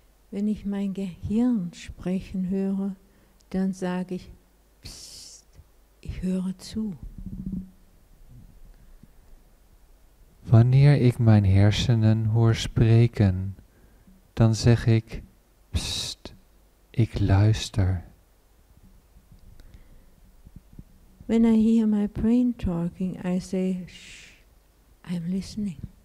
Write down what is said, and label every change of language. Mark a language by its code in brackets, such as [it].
[de] Wenn ich mein Gehirn sprechen höre, dann sage ich, psst, ich höre zu. [nl] Wanneer ik mijn hersenen hoor spreken, dan zeg ik, psst, ik luister. [en] When I hear my brain talking, I say, shh, I'm listening.